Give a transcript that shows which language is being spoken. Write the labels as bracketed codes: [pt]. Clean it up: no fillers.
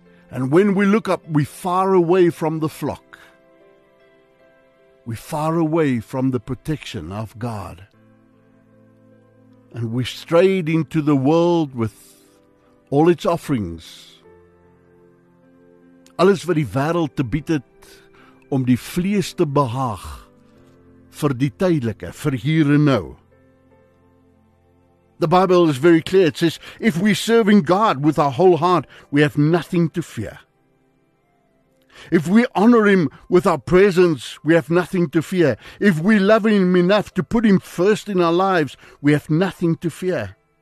[en] And when we look up, we far away from the flock. We far away from the protection of God. And we strayed into the world with all its offerings. [af] Alles wat die wêreld te bied het, om die vlees te behaag, vir die tydelike, vir hier en nou. [en] The Bible is very clear. It says, if we're serving God with our whole heart, we have nothing to fear. If we honor Him with our presence, we have nothing to fear. If we love Him enough to put Him first in our lives, we have nothing to fear.